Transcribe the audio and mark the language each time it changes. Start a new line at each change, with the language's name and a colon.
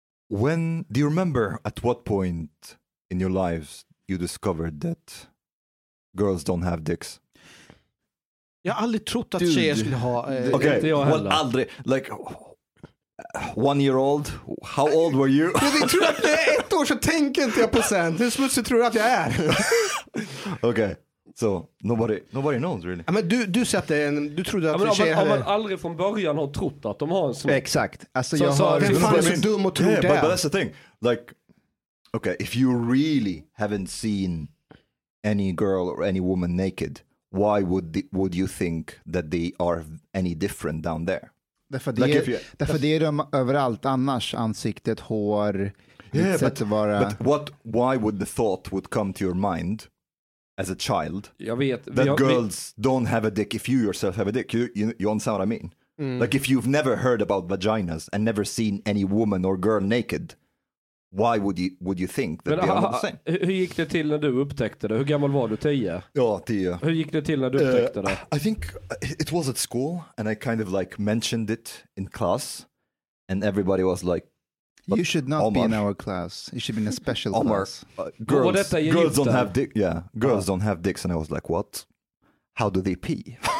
English: When do you remember at what point in your lives you discovered that girls don't have dicks?
Swedish: Jag har aldrig trott att tjejer skulle ha Inte jag heller.
English: Well, aldrig. Like 1 year old. How old were you?
Swedish: Jag tror att det är ett år så tänker inte jag på sen. Hur smutsigt tror du att jag är? Okej.
English: Så, so, nobody knows really.
Swedish: Ja, men du sa att du trodde att tjejer hade... Om man aldrig från början har trott att de har en sån... Exakt. Alltså, jag har... Vem fan är så dum att tro det?
English: But that's the thing. Like, okay, if you really haven't seen any girl or any woman naked, why would you think that they are any different down there?
Swedish: Därför det är de överallt annars. Ansiktet, hår, sätt att vara...
English: But what, why would the thought would come to your mind... As a child,
Swedish: jag vet,
English: that girls don't have a dick if you yourself have a dick. You understand what I mean? Mm. Like if you've never heard about vaginas and never seen any woman or girl naked, why would you think that they are the same?
Swedish: Hur gick det till när du upptäckte det? Hur gammal var du, 10? Ja, 10. Hur gick det till när du upptäckte det?
English: I think it was at school and I kind of like mentioned it in class and everybody was like, but you should not Omar. Be in our class. You should be in a special Omar. Class. Girls don't have dicks. Yeah, girls don't have dicks. And I was like, what? How do they pee?